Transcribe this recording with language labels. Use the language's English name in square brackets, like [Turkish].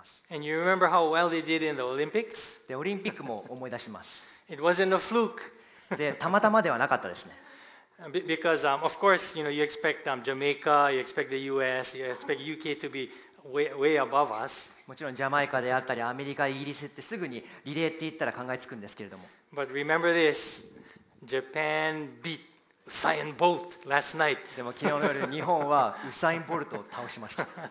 [English] And you remember how well they did in the Olympics? [Japanese] で、オリンピックも思い出します。 [English] It wasn't a fluke. [Japanese] で、たまたまではなかったですね。 [English] Because, of course, you know, you expect Jamaica, you expect the US, you expect UK to be way above us. [Japanese] もちろんジャマイカであったり、アメリカ、イギリスってすぐにリレーって言ったら考えつくんですけれども。 [English] But remember this, Japan beat Usain Bolt last night. [Japanese] でも昨日の夜、日本はウサイン・ボルトを倒しました。